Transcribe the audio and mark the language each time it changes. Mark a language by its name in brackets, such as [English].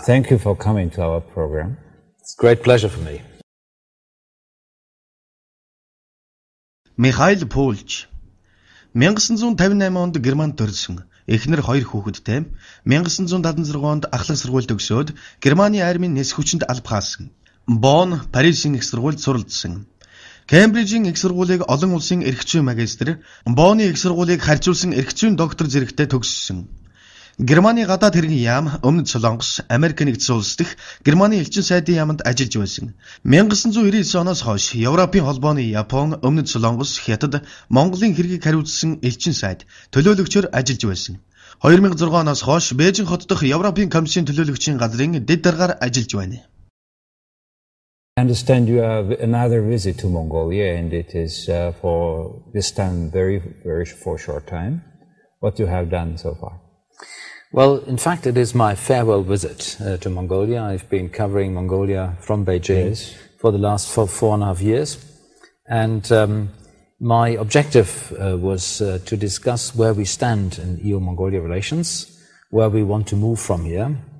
[English] Thank you for coming to our program. It's a great pleasure for me. [Mongolian] Михаэль Пулч 1958 онд Герман төрсөн. Эхнэр хоёр хүүхэдтэй 1976 онд ахлах сургууль төгсөөд Германы армийн нэс хүчинд албахаасан. Бон, Парисын их сургуульд суралцсан. Кембрижийн их сургуулийг олон улсын эрхчүү магистр, Бонны их сургуулийг харьцуулсан эрхчүүний доктор зэрэгтэй төгссөн. Германы гадаад хэргийн яам, Өмнөд Солонгос, Америк нэгдсэн улс дахь Германы элчин сайдын яамд ажиллаж байсан. 1999 оноос хойш Европын холбооны Япон, Өмнөд Солонгос, Хятад, Монголын хэргийг хариуцсан элчин сайд төлөөлөгчөөр ажиллаж байсан. 2006 оноос хойш Бээжин хот дахь Европын Комиссын төлөөлөгчийн газрын дэд даргаар ажиллаж байна. [English] I understand you have another visit to Mongolia, and it is for this time very, very for a short time. What you have done so far? Well, in fact, it is my farewell visit to Mongolia. I've been covering Mongolia from Beijing yes. for the last four and a half years, and my objective was to discuss where we stand in EU-Mongolia relations, where we want to move from here.